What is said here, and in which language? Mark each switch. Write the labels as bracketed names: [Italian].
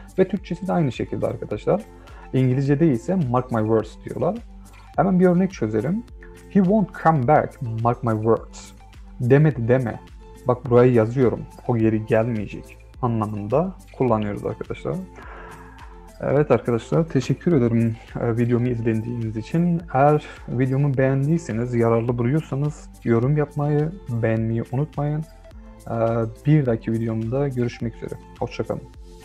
[Turkish] Ve Türkçesi de aynı şekilde arkadaşlar. İngilizce'de ise [English] "mark my words" [Turkish] diyorlar. Hemen bir örnek çözelim. [English] "He won't come back, mark my words." [Turkish] Demedi deme. Bak burayı yazıyorum, o geri gelmeyecek anlamında kullanıyoruz arkadaşlar. Evet arkadaşlar, teşekkür ederim videomu izlediğiniz için. Eğer videomu beğendiyseniz, yararlı buluyorsanız yorum yapmayı, beğenmeyi unutmayın. Bir dahaki videomda görüşmek üzere. Hoşça kalın.